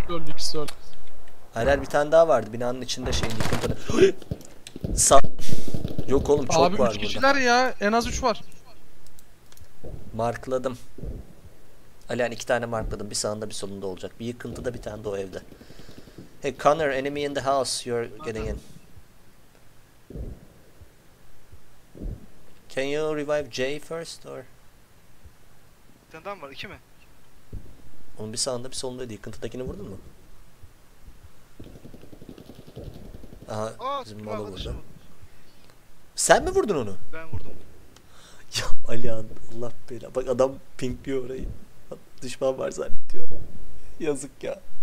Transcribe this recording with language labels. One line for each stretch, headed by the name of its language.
Turkish: Öldü, ikisi öldü. Herhalde bir tane daha vardı binanın içinde şeyin yıkıntını. Sağ. Yok oğlum çok abi, var burada. Abi 3 kişiler ya, en az 3 var. Markladım. Ali yani 2 tane markladım, bir sağında bir solunda olacak. Bir yıkıntı da, bir tane de o evde.
English: Hey Connor, enemy in the house, you're getting in. Can you revive Jay first or?
Turkish: Bir tane daha mı var, 2 mi? Onun bir sağında bir solundaydı. Yıkıntıdakini vurdun mu? Aha, aa, bizim malı vurdu. Sen mi vurdun onu? Ben vurdum. Ya Ali an, Allah bela. Bak adam pinkliyor orayı. Düşman var zannediyor. Yazık ya.